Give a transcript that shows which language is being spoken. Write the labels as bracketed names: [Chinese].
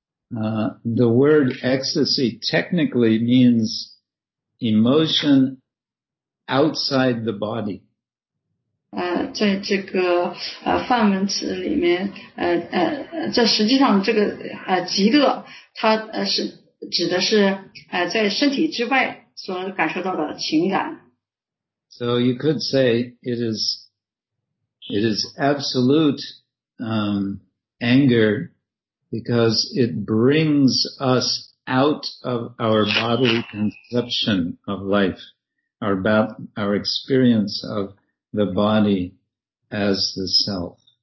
[English] The word ecstasy technically means emotion outside the body. [Chinese] 在这个、梵文词里面、这实际上这个、极乐它、是指的是、在身体之外所感受到的情感。 [English] So you could say it is absolute、anger. Because it brings us out of our bodily conception of life, our experience of the body as the self.